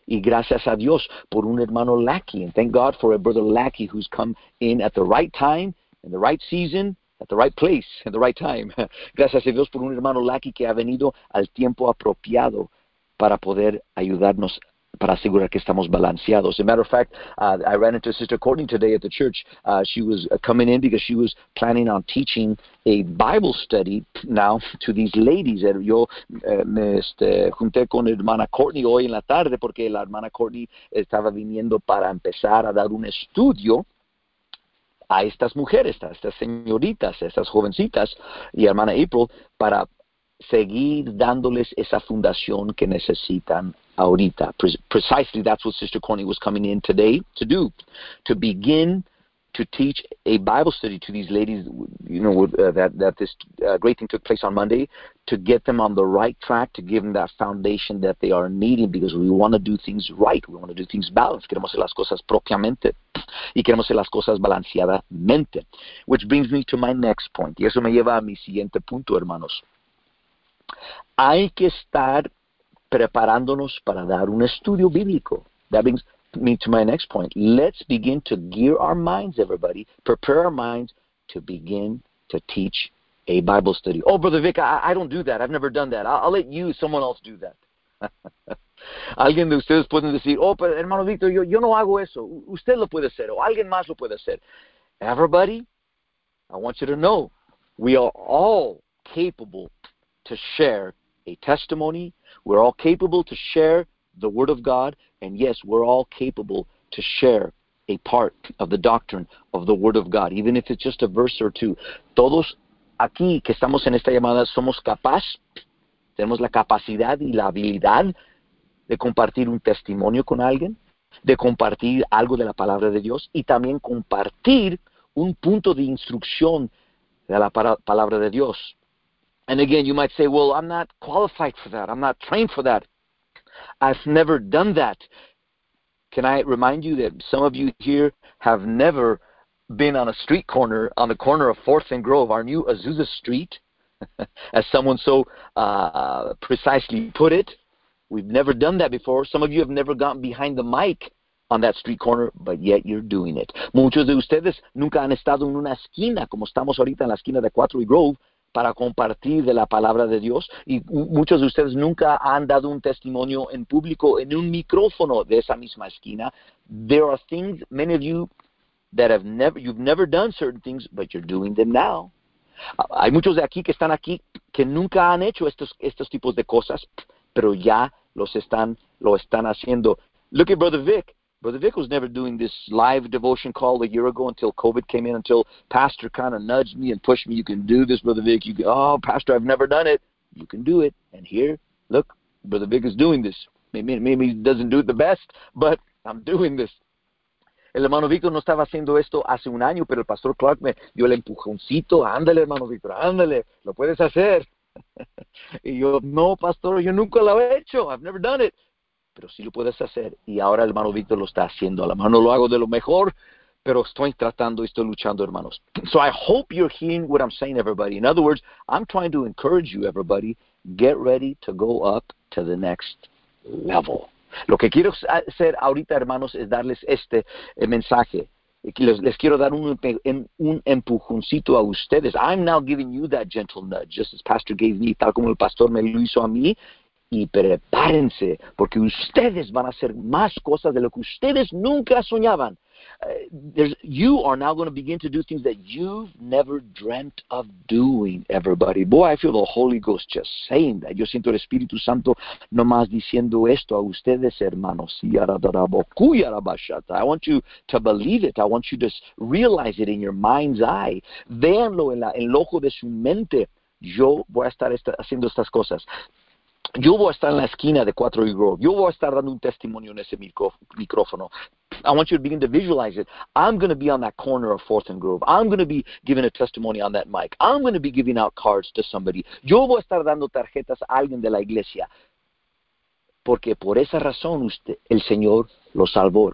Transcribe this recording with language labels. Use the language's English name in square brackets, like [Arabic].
[Spanish] Y gracias a Dios por un hermano Lackey. [English] And thank God for a brother Lackey who's come in at the right time, in the right season, at the right place, in the right time. [Spanish] Gracias a Dios por un hermano Lackey que ha venido al tiempo apropiado para poder ayudarnos, para asegurar que estamos balanceados. [English] As a matter of fact, I ran into Sister Courtney today at the church. She was coming in because she was planning on teaching a Bible study now to these ladies. [Spanish] Yo me junté con hermana Courtney hoy en la tarde porque la hermana Courtney estaba viniendo para empezar a dar un estudio a estas mujeres, a estas señoritas, a estas jovencitas, y hermana April, para seguir dándoles esa fundación que necesitan ahorita. [English] Precisely, that's what Sister Courtney was coming in today to do, to begin to teach a Bible study to these ladies, you know, that this great thing took place on Monday, to get them on the right track, to give them that foundation that they are needing, because we want to do things right, we want to do things balanced. [Spanish] Queremos hacer las cosas propiamente, y queremos hacer las cosas balanceadamente. [English] Which brings me to my next point, [Spanish] y eso me lleva a mi siguiente punto, hermanos. Hay que estar preparándonos para dar un estudio bíblico. [English] That brings me to my next point. Let's begin to gear our minds, everybody. Prepare our minds to begin to teach a Bible study. Oh, Brother Vic, I don't do that. I've never done that. I'll let you, someone else, do that. [Spanish] Alguien de ustedes pueden decir, oh, pero hermano Victor, yo no hago eso. Usted lo puede hacer. O alguien más lo puede hacer. [English] Everybody, I want you to know, we are all capable to share a testimony. We're all capable to share the Word of God. And yes, we're all capable to share a part of the doctrine of the Word of God, even if it's just a verse or two. [Spanish] Todos aquí que estamos en esta llamada somos capaces, tenemos la capacidad y la habilidad de compartir un testimonio con alguien, de compartir algo de la palabra de Dios y también compartir un punto de instrucción de la palabra de Dios. [English] And again, you might say, well, I'm not qualified for that. I'm not trained for that. I've never done that. Can I remind you that some of you here have never been on a street corner, on the corner of 4th and Grove, our new Azusa Street, as someone so precisely put it. We've never done that before. Some of you have never gotten behind the mic on that street corner, but yet you're doing it. [Spanish] Muchos de ustedes nunca han estado en una esquina, como estamos ahorita en la esquina de 4 y Grove, para compartir de la palabra de Dios. Y muchos de ustedes nunca han dado un testimonio en público en un micrófono de esa misma esquina. [English] There are things, many of you, that have never, you've never done certain things, but you're doing them now. [Spanish] Hay muchos de aquí que están aquí que nunca han hecho estos tipos de cosas, pero ya lo están haciendo. [English] Look at Brother Vic. Brother Vic was never doing this live devotion call a year ago until COVID came in, until Pastor kind of nudged me and pushed me. You can do this, Brother Vic. You go, oh, Pastor, I've never done it. You can do it. And here, look, Brother Vic is doing this. Maybe he doesn't do it the best, but I'm doing this. [Spanish] El hermano Vico no estaba haciendo esto hace un año, pero el pastor Clark me dio el empujoncito. Ándale, hermano Vico, ándale, lo puedes hacer. Y yo, no, pastor, yo nunca lo he hecho. [English] I've never done it. [Spanish] Pero sí lo puedes hacer. Y ahora el hermano Víctor lo está haciendo. A lo mejor no lo hago de lo mejor, pero estoy tratando y estoy luchando, hermanos. [English] So I hope you're hearing what I'm saying, everybody. In other words, I'm trying to encourage you, everybody, get ready to go up to the next level. [Spanish] Lo que quiero hacer ahorita, hermanos, es darles este mensaje. Les quiero dar un empujoncito a ustedes. [English] I'm now giving you that gentle nudge, just as Pastor gave me, [Spanish] tal como el pastor me lo hizo a mí. Y prepárense, porque ustedes van a hacer más cosas de lo que ustedes nunca soñaban. [English] You are now going to begin to do things that you've never dreamt of doing, everybody. Boy, I feel the Holy Ghost just saying that. [Spanish] Yo siento el Espíritu Santo nomás diciendo esto a ustedes, hermanos. [English] I want you to believe it. I want you to realize it in your mind's eye. [Spanish] Véanlo en el ojo de su mente. Yo voy a estar haciendo estas cosas. Yo voy a estar en la esquina de 4 y Grove. Yo voy a estar dando un testimonio en ese micrófono. [English] I want you to begin to visualize it. I'm going to be on that corner of 4th and Grove. I'm going to be giving a testimony on that mic. I'm going to be giving out cards to somebody. [Spanish] Yo voy a estar dando tarjetas a alguien de la iglesia. Porque por esa razón el Señor lo salvó.